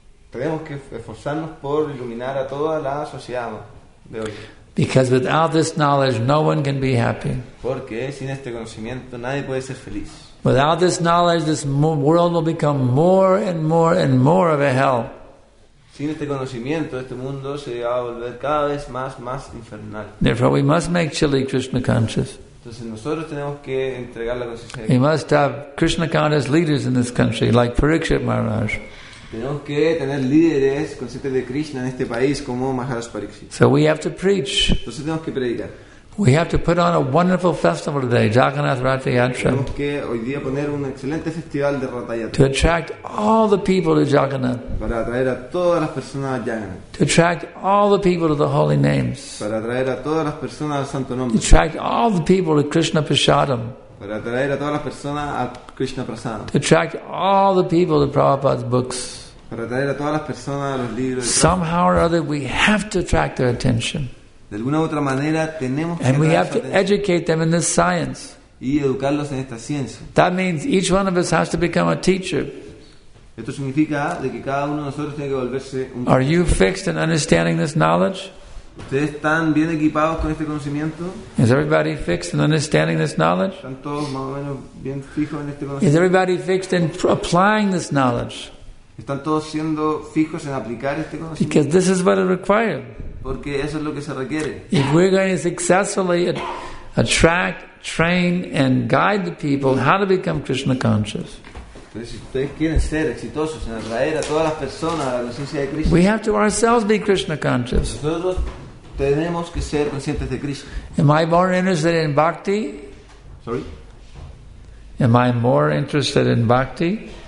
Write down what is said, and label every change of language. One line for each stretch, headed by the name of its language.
Spanish: Tenemos que esforzarnos por iluminar a toda la sociedad de hoy.
English: Because without this knowledge, no one can be happy.
Spanish: Porque sin este conocimiento, nadie puede ser feliz.
English: Without this knowledge, this world will become more and more and more of a hell.
Spanish: Sin este conocimiento, este mundo se va a volver cada vez más infernal.
English: Therefore, we must make Chile Krishna conscious.
Spanish: Entonces nosotros tenemos que entregar la conciencia.
English: We must have Krishna conscious leaders in this country, like Parikshit Maharaj.
Spanish: Tenemos que tener líderes conscientes de Krishna en este país, como Maharaj Parikshit.
English: So we have to preach.
Spanish: Entonces tenemos que predicar.
English: We have to put on a wonderful festival today, Jagannath Rath Yatra.
Spanish: Tenemos que hoy día poner un excelente festival de Rath Yatra.
English: To attract all the people to Jagannath.
Spanish: Para atraer a todas las personas a Jagannath.
English: To attract all the people to the holy names.
Spanish: Para atraer a todas las personas al santo nombre.
English: To attract all the people to Krishna Prasadam.
Spanish: Para atraer a todas las personas a Krishna Prasadam.
English: To attract all the people to Prabhupada's books.
Spanish: Para atraer a todas las personas a los libros.
English: Somehow or other, we have to attract their attention.
Spanish: De alguna u otra manera tenemos
English: and
Spanish: que
English: we have to educate them in this science.
Spanish: Y educarlos en esta ciencia.
English: That means each one of us has to become a teacher.
Spanish: Esto significa de que cada uno de nosotros tiene que volverse un.
English: Are you fixed in understanding this knowledge?
Spanish: ¿Ustedes están bien equipados con este conocimiento?
English: Is everybody fixed in understanding this knowledge?
Spanish: ¿Están todos más o menos bien fijos en este conocimiento?
English: Is everybody fixed in applying this knowledge?
Spanish: ¿Están todos siendo fijos en aplicar este conocimiento?
English: Because this is what is required.
Spanish: Porque eso es lo que se requiere.
English: If we're going to successfully attract, train, and guide the people how to become Krishna conscious,
Spanish: entonces, si ustedes quieren ser exitosos en atraer a todas las personas a la conciencia de Krishna,
English: we have to ourselves be Krishna conscious.
Spanish: Nosotros tenemos que ser conscientes de Krishna.
English: Am I more interested in bhakti? Sorry. Am I more interested in bhakti?